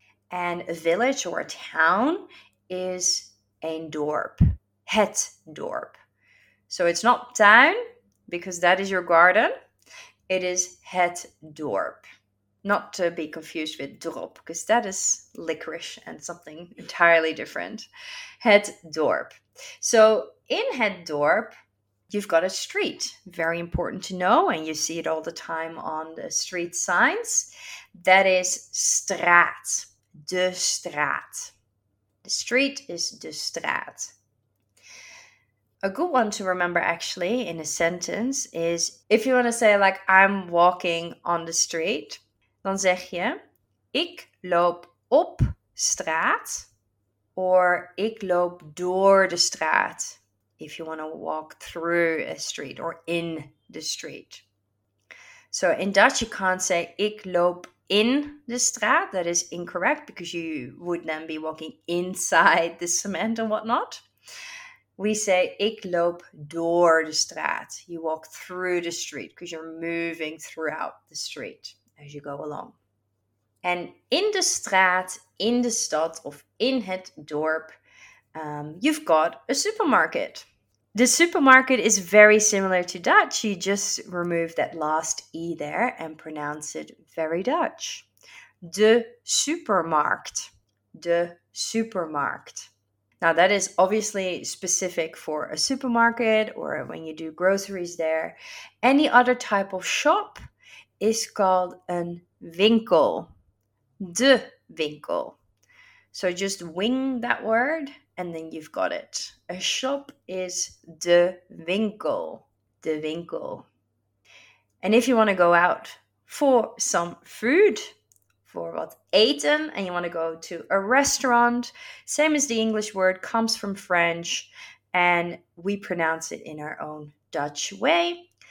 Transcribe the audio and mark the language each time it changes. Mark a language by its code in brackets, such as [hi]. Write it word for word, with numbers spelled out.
[en] And a village or a town is [nl] een dorp. Het dorp. [en] So it's not town, because that is your garden. It is [nl] het dorp. [en] Not to be confused with dorp, because that is licorice and something entirely different. [nl] Het dorp. [en] So in [nl] het dorp, [en] you've got a street. Very important to know, and you see it all the time on the street signs. That is straat. [nl] De straat. [en] The street is de straat. A good one to remember actually in a sentence is, if you want to say like, I'm walking on the street, [nl] dan zeg je, ik loop op straat, [en] or [nl] ik loop door de straat, [en] if you want to walk through a street or in the street. So in Dutch you can't say, [nl] ik loop in the straat. [en] That is incorrect, because you would then be walking inside the cement and whatnot. We say, [nl] ik loop door de straat. [en] You walk through the street, because you're moving throughout the street as you go along. And [nl] in de straat, in de stad, of in het dorp, [en] um, you've got a supermarket. The supermarket is very similar to Dutch. You just remove that last E there and pronounce it very Dutch. [nl] De supermarkt. De supermarkt. [en] Now that is obviously specific for a supermarket or when you do groceries there. Any other type of shop is called [nl] een winkel. De winkel. [en] So just wing that word and then you've got it. A shop is [nl] de winkel. De winkel. [en] And if you want to go out for some food, for [nl] wat eten, [en] and you want to go to a restaurant, same as the English word, comes from French, and we pronounce it in our own Dutch way.